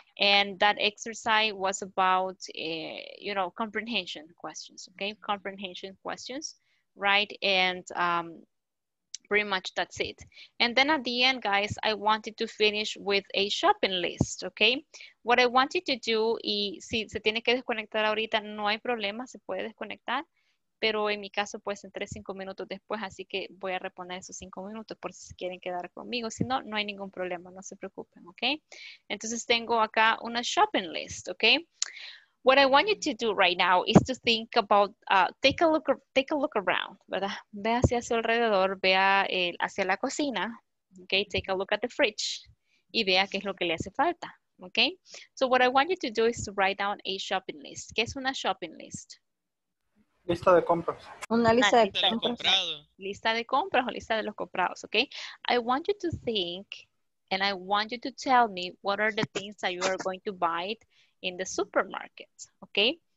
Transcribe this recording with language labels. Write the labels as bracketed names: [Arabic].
[English] And that exercise was about, comprehension questions, okay? Comprehension questions, right? And pretty much that's it. And then at the end, guys, I wanted to finish with a shopping list, okay? What I wanted to do, [Spanish] y si se tiene que desconectar ahorita, no hay problema, se puede desconectar, pero en mi caso, pues, entré 5 minutos después, así que voy a reponer esos 5 minutos por si quieren quedar conmigo. Si no, no hay ningún problema, no se preocupen, okay? Entonces tengo acá una shopping list, okay? [English] What I want you to do right now is to think about, take a look around, [Spanish] ¿verdad? Ve hacia su alrededor, vea hacia la cocina, okay? [English] Take a look at the fridge [Spanish] y vea qué es lo que le hace falta, okay? [English] So what I want you to do is to write down a shopping list. [Spanish] ¿Qué es una shopping list? Lista de compras. Una lista de compras. Lista de compras o lista de los comprados, okay? [English] I want you to think and I want you to tell me what are the things that you are going to buy in the supermarket, okay?